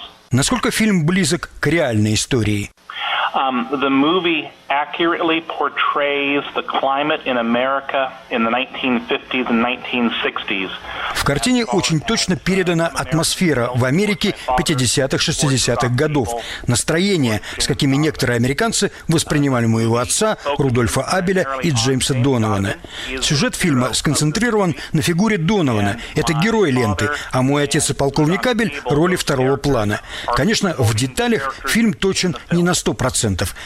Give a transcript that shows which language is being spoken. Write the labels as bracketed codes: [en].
[ru] Насколько фильм близок к реальной истории? [en] The movie accurately portrays the climate in America in the 1950s and 1960s. [ru] В картине очень точно передана атмосфера в Америке 50-х-60-х годов, настроение, с какими некоторые американцы воспринимали моего отца, Рудольфа Абеля и Джеймса Донована. Сюжет фильма сконцентрирован на фигуре Донована. Это герой ленты, а мой отец и полковник Абель – роли второго плана. Конечно, в деталях фильм точен не на 100%. акцентов.